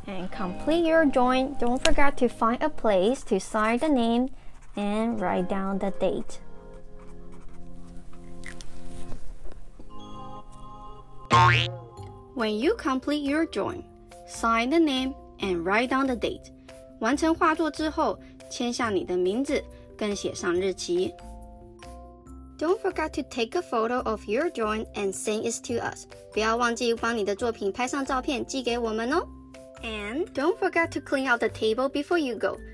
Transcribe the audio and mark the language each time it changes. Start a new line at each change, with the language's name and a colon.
English: Complete your drawing. Don't forget to find a place to sign the name and write down the date. When you complete your drawing, sign the name and write down the date.
Chinese: 完成画作之后，签下你的名字，更写上日期。
English: Don't forget to take a photo of your drawing and send it to us.
Chinese: 不要忘记帮你的作品拍上照片寄给我们哦。
English: And don't forget to clean out the table before you go.